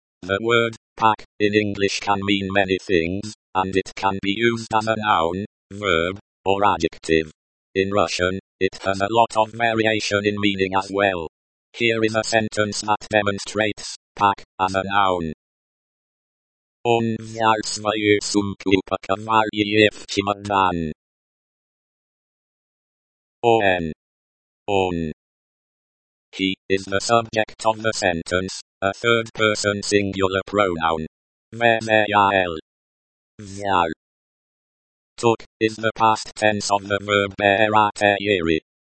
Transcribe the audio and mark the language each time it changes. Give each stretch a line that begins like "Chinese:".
English: The word pack in English can mean many things, and it can be used as a noun, verb, or adjective. In Russian, it has a lot of variation in meaning as well. Here is a sentence that demonstrates pack as a noun.
Russian: Он взял свою сумку, упаковал ее в чемодан. Он. Он.
English: He is the subject of the sentence, a third-person singular pronoun.
Russian: Взял. Взял.
English: Took is the past tense of the verb брать.